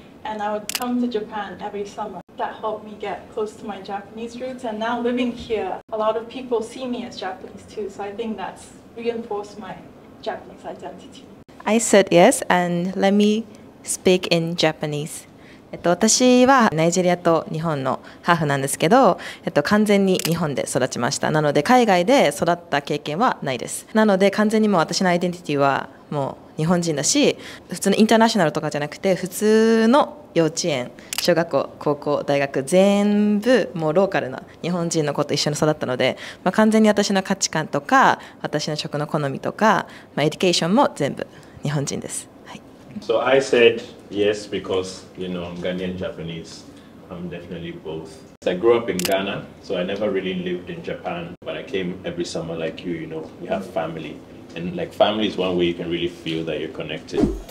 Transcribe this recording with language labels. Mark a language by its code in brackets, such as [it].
[en] And I would come to Japan every summer. That helped me get close to my Japanese roots. And now living here, a lot of people see me as Japanese too. So I think that's reinforced my Japanese identity. I said yes, and let me speak in Japanese. [ja] 私はナイジェリアと日本のハーフなんですけど、完全に日本で育ちました。なので海外で育った経験はないです。なので完全にもう私のアイデンティティはもう日本人だし、普通のインターナショナルとかじゃなくて普通の幼稚園、小学校、高校、大学全部もうローカルな日本人の子と一緒に育ったので、まあ、完全に私の価値観とか私の食の好みとか、まあ、エデュケーションも全部日本人です。 [en] So I said yes because, you know, I'm Ghanaian Japanese. I'm definitely both. So I grew up in Ghana, so I never really lived in Japan. But I came every summer like you, you know, you have family. And like family is one way you can really feel that you're connected.